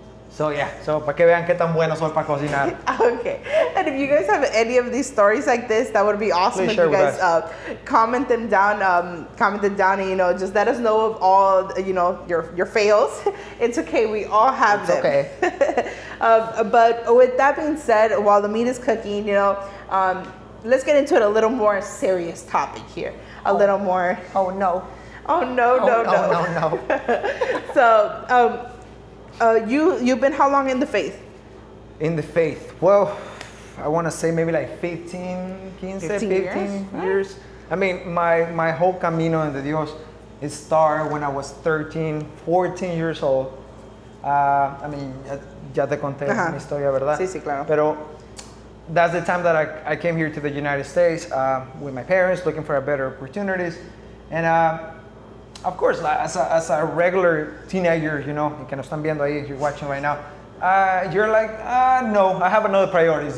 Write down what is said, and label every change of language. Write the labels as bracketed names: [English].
[English] So yeah, so [Spanish] para que vean qué tan bueno soy para cocinar. [English] Okay, and if you guys have any of these stories like this, that would be awesome. Please if you guys comment them down and, you know, just let us know of all, you know, your fails. It's okay, we all have it's them. Okay. but with that being said, while the meat is cooking, you know, let's get into it a little more serious topic here. Oh no. Oh no, no, oh, no. Oh no, no. So, you've been how long in the faith? In the faith? Well, I want to say maybe like 15 years. Yeah. I mean, my whole [Spanish] camino en de Dios, [English] it started when I was 13, 14 years old. [Spanish] I mean, ya te conté mi historia, ¿verdad? Sí, sí, claro. Pero [English] that's the time that I came here to the United States with my parents, looking for a better opportunities. And of course, like, as a regular teenager, you know, [Spanish] que nos están viendo ahí, [English] you're watching right now, you're like, no, I have another priorities.